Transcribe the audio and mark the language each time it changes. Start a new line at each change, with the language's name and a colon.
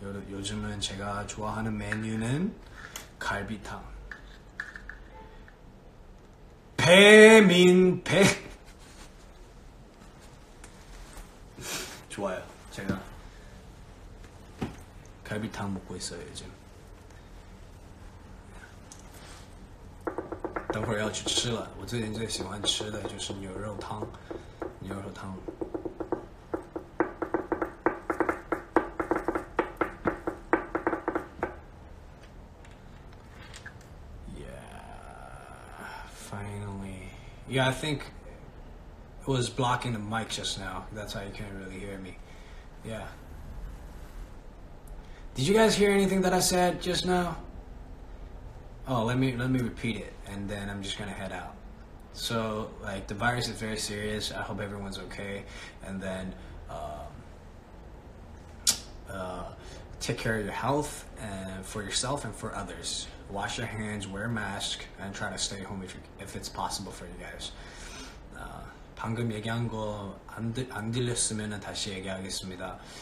Korean: 요즘은 제가 좋아하는 메뉴는 갈비탕. 배민배. 좋아요. 제가 갈비탕 먹고 있어요, 요즘.
English: Yeah.
Chinese: 等会儿要去吃了，我最近最喜欢吃的就是牛肉汤。牛肉汤。
English: Yeah, finally. Yeah, I think it was blocking the mic just now. That's why you can't really hear me. Yeah. Did you guys hear anything that I said just now? Oh, let me repeat it, and then I'm just gonna head out. So, like, the virus is very serious. I hope everyone's okay. And then, take care of your health, and for yourself and for others. Wash your hands, wear a mask, and try to stay home if it's possible for you guys.
Korean: 방금 얘기한 거 안 들렸으면 다시 얘기하겠습니다.